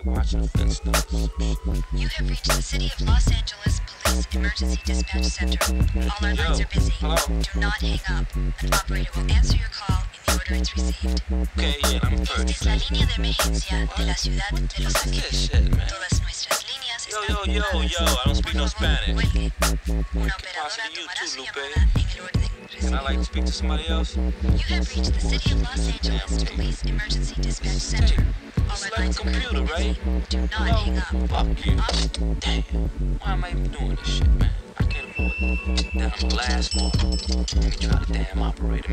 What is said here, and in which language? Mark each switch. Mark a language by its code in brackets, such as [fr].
[en] You have reached the City of Los Angeles Police Emergency Dispatch Center. All our lines are busy. Hello? Do not hang up. An operator will answer your call in the order it's received. Okay, yeah, I'm first. [es] Esta es la línea de emergencia de la ciudad de Los Angeles. [en] Shit, man. [es] Todas nuestras líneas están [en] Yo, I don't speak no Spanish. [es] Una operadora tomará su llamada en el orden. [en] Can I, like, speak to somebody else? You have reached the City of Los Angeles Police Emergency Dispatch Center. All our lines are busy. Do not hang up. Fuck you. Damn. Why am I even doing this shit, man? I can't afford it. Then I'm blast off. Let me try the damn operator.